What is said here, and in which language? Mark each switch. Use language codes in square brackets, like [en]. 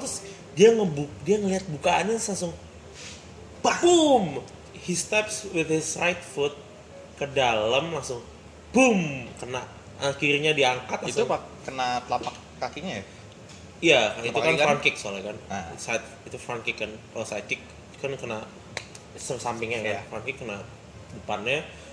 [id] Terus dia ngelihat bukaannya langsung. Boom! [en] He steps with his right foot [id] ke dalam langsung. Boom! Kena akhirnya diangkat langsung. Itu kena telapak kakinya ya? Iya, itu kan front kick soalnya kan. Itu front kick kan. Kalau side kick kan kena sampingnya kan. Yeah. Front kick kena depannya.